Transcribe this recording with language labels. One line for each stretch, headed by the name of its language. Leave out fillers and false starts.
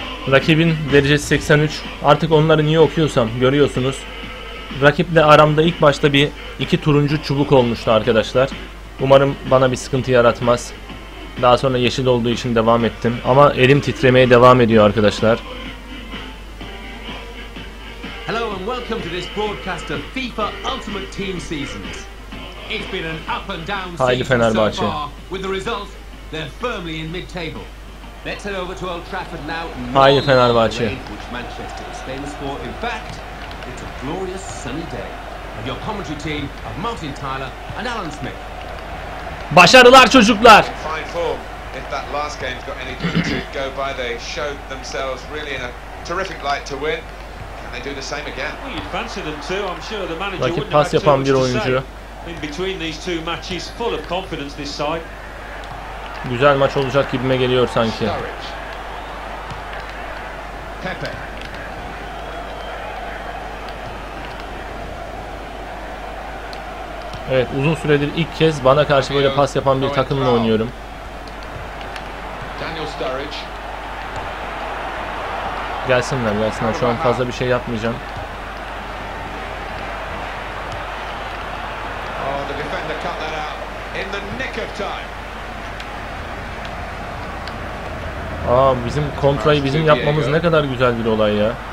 Turkish: Rakibin derecesi 83. Artık onları niye okuyorsam görüyorsunuz. Rakiple aramda ilk başta bir iki turuncu çubuk olmuştu arkadaşlar. Umarım bana bir sıkıntı yaratmaz. Daha sonra yeşil olduğu için devam ettim. Ama elim titremeye devam ediyor arkadaşlar.
English: Hello and welcome to this broadcast of FIFA Ultimate Team Seasons. It's been an up and down season.
Turkish: Haydi Fenerbahçe.
English: With the results, they're firmly in mid-table. Let's head over to Old Trafford now.
Turkish: Haydi Fenerbahçe.
English: Manchester is famous for. In fact, it's a glorious sunny day. And your commentary team of Martin Tyler and Alan Smith.
Turkish: Başarılar çocuklar.
English: Fine form. If that last game's got anything to go by, they showed themselves really in a terrific light to win. Can they do the same again? Well, you'd fancy them too. I'm sure the manager like wouldn't have too much to oyuncu. Say. In between these two matches, full of confidence this side.
Turkish: Güzel maç olacak gibime geliyor sanki. Pepe. Evet, uzun süredir ilk kez bana karşı böyle pas yapan bir takımla oynuyorum. Daniel Sturridge. Gelsinler. Şu an fazla bir şey yapmayacağım.
English: Oh, the defender cut that out in the nick of time.
Turkish: Aa, bizim kontrayı bizim yapmamız ne kadar güzel bir olay ya.